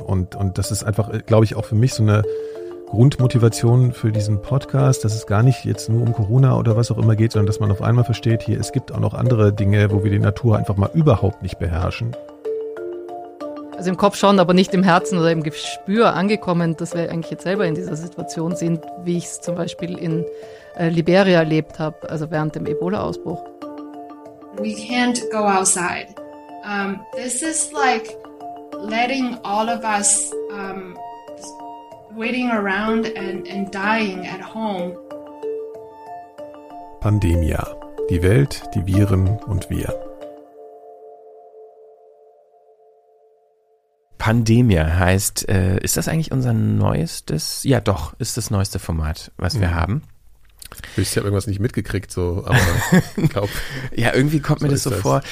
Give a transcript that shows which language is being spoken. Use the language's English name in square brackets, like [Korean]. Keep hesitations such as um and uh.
[German] Und, und das ist einfach, glaube ich, auch für mich so eine Grundmotivation für diesen Podcast, dass es gar nicht jetzt nur um Corona oder was auch immer geht, sondern dass man auf einmal versteht, hier, es gibt auch noch andere Dinge, wo wir die Natur einfach mal überhaupt nicht beherrschen. Also im Kopf schon, aber nicht im Herzen oder im Gespür angekommen, dass wir eigentlich jetzt selber in dieser Situation sind, wie ich es zum Beispiel in Liberia erlebt habe, also während dem Ebola-Ausbruch. [English] We can't go outside. Um, this is like letting all of us um, waiting around and, and dying at home. [German] Pandemia. Die Welt, die Viren und wir. Pandemia heißt, ist das eigentlich unser neuestes? Ja, doch, ist das neueste Format, was mhm. wir haben. Ich habe irgendwas nicht mitgekriegt, so, aber glaub, Ja, irgendwie kommt mir Sorry das so guys. vor.